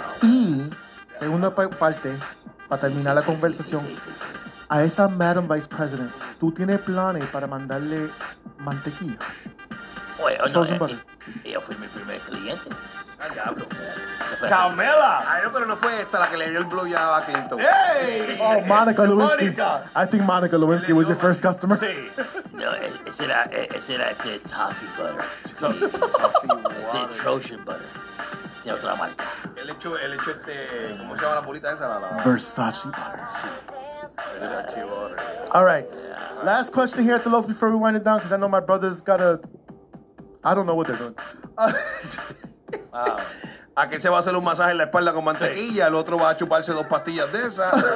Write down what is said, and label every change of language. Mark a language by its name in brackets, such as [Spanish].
[Spanish] Y segunda parte, para terminar la conversación, a esa madam vice president, ¿tú tienes planes para mandarle mantequilla? Oye, no, ella fue mi primer cliente. Ah, cabrón. ¡Carmela! Ay, no, pero no fue esta la que le dio el blow job a Clinton. ¡Hey! [English] Oh, Monica Lewinsky. Monica. I think Monica Lewinsky was your first customer. [Spanish] Sí. No, ese era este toffee butter. Toffee butter. Este Trojan butter. De otra marca. Él hecho este... ¿Cómo se llama la bolita esa? La Versace butter. Sí. Versace butter. [English] All right. Yeah. Last question here at the Lowe's before we wind it down, because I know my brother's got a... I don't know what they're doing. [Spanish] ¿A qué se va a hacer un masaje en la espalda con mantequilla? Sí. El otro va a chuparse dos pastillas de esas.